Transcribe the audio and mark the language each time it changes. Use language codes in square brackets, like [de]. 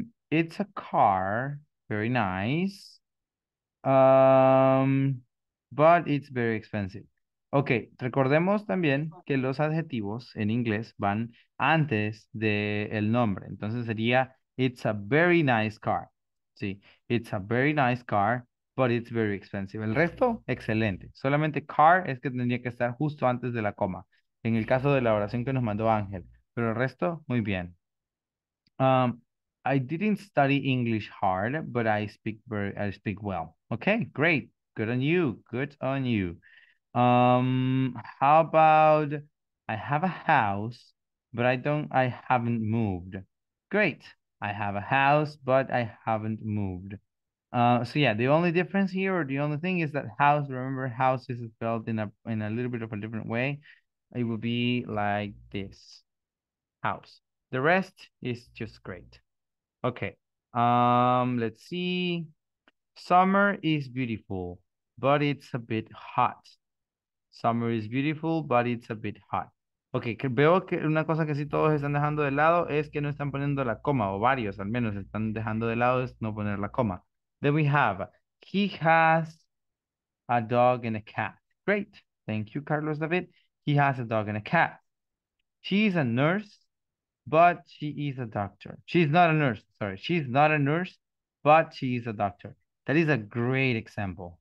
[en] It's a car, very nice, but it's very expensive. [es] Okay, recordemos también que los adjetivos en inglés van antes del nombre. Entonces sería, [en] it's a very nice car. Sí, it's a very nice car, but it's very expensive. [es] El resto, excelente. Solamente car es que tendría que estar justo antes de la coma. En el caso de la oración que nos mandó Ángel. Pero el resto, muy bien. [en] I didn't study English hard, but I speak well. Okay, great. Good on you. Good on you. How about I have a house, but I haven't moved. Great. I have a house, but I haven't moved. So yeah, the only difference here, or the only thing, is that house, remember, house is spelled in a little bit of a different way. It will be like this. House. The rest is just great. Okay. Let's see. Summer is beautiful, but it's a bit hot. Summer is beautiful, but it's a bit hot. [es] Okay, veo que una cosa que sí todos están dejando de lado es que no están poniendo la coma, o varios al menos están dejando de lado es no poner la coma. [en] Then we have, he has a dog and a cat. Great. Thank you, Carlos David. He has a dog and a cat. She's a nurse, but she is a doctor. She's not a nurse. Sorry. She's not a nurse, but she is a doctor. That is a great example.